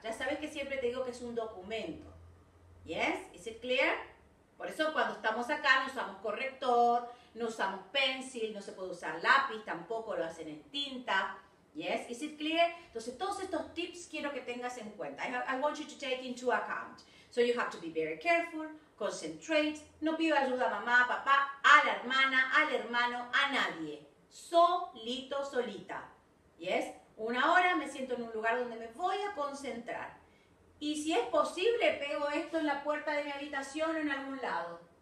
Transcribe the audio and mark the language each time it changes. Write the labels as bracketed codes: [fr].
[es] Ya sabes que siempre te digo que es un documento. [en] ¿Yes? ¿Is it clear? [es] Por eso cuando estamos acá no usamos corrector, no usamos pencil, no se puede usar lápiz, tampoco lo hacen en tinta. [en] Yes, is it clear? [es] Entonces, todos estos tips quiero que tengas en cuenta. [en] I want you to take into account. So you have to be very careful, concentrate. [es] No pido ayuda a mamá, a papá, a la hermana, al hermano, a nadie. Solito, solita. Yes, 1 hora me siento en un lugar donde me voy a concentrar. Y si es posible, pego esto en la puerta de mi habitación o en algún lado.